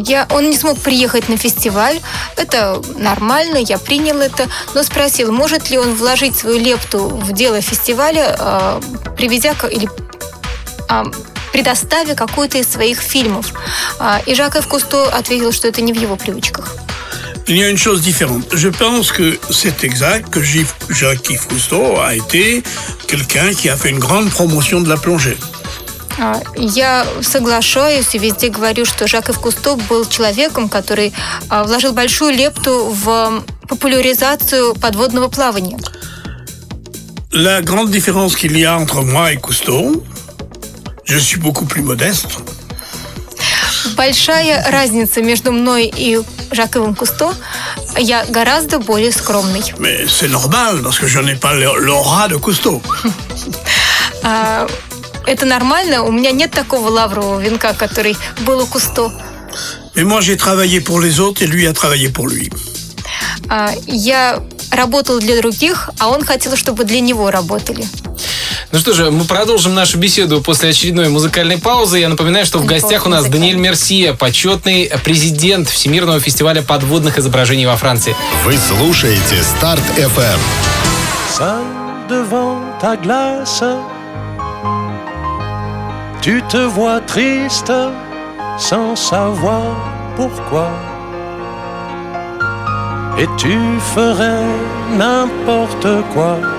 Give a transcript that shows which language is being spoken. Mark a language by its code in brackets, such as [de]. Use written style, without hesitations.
[ru] Он не смог приехать на фестиваль. Это нормально, я принял это. Но спросил, может ли он вложить свою лепту в дело фестиваля, предоставив какой-то из своих фильмов. И Жак Ив Кусто ответил, что это не в его привычках. [fr] Il y a une chose différente. Je pense que c'est exact que Jacques Yves Cousteau a été quelqu'un qui a fait une grande promotion de la plongée. [ru] Я соглашаюсь и везде говорю, что Жак Ив Кусто был человеком, который вложил большую лепту в популяризацию подводного плавания. [fr] La grande différence qu'il y a entre moi et Cousteau, je suis beaucoup plus modeste. [ru] Большая разница между мной и Жаковым Кусто, я гораздо более скромный. [fr] Mais c'est normal, parce que je n'ai pas l'aura de Cousteau. [ru] Это нормально, у меня нет такого лаврового венка, который был у Кусто. [fr] Mais moi j'ai travaillé pour les autres et lui a travaillé pour lui. [ru] Я работал для других, а он хотел, чтобы для него работали. Ну что же, мы продолжим нашу беседу после очередной музыкальной паузы. Я напоминаю, что в гостях у нас Даниэль Мерсье, почетный президент Всемирного фестиваля подводных изображений во Франции. Вы слушаете Start FM. [fr] Seul devant ta glace, tu te vois triste, sans savoir pourquoi. Et tu ferais n'importe quoi.